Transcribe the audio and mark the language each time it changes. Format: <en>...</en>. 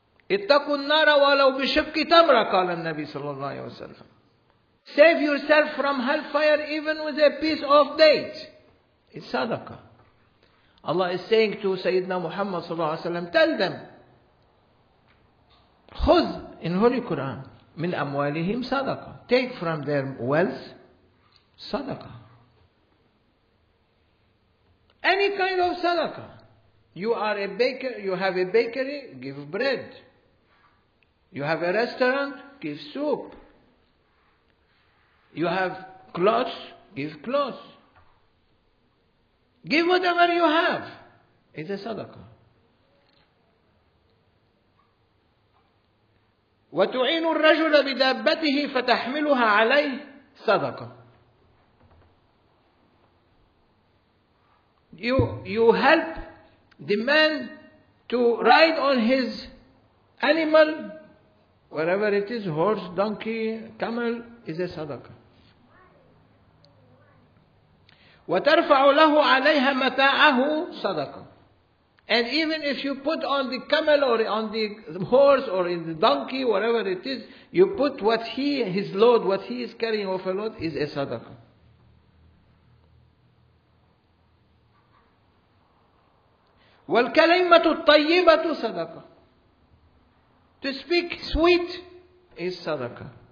<ar>اتقوا النار ولو بشق تمرة قال النبي صلى الله عليه وسلم.</ar> <en>Save yourself from hellfire even with a piece of date. It's sadaqah. Allah is saying to Sayyidina Muhammad sallallahu alayhi wa sallam, tell them,</en> <ar>خذ</ar> <en>in Holy Quran</en> <ar>من أموالهم صدقة.</ar> <en>Take from their wealth صدقة. Any kind of صدقة. You are a baker, you have a bakery, give bread. You have a restaurant, give soup. You have clothes, give clothes. Give whatever you have. It's a صدقة.</en> <ar>وتعين الرجل بدابته فتحملها عليه صدقة.</ar> <en>You help the man to ride on his animal, whatever it is, horse, donkey, camel, is a صدقة.</en> <ar>وترفع له عليها متاعه صدقة.</ar> <en>And even if you put on the camel or on the horse or in the donkey, whatever it is, you put what he, his load, what he is carrying of a load, is a sadaqah.</en> <ar>وَالْكَلِمَةُ الطَّيِّبَةُ</ar> <en>sadaqah. To speak sweet is sadaqah.</en>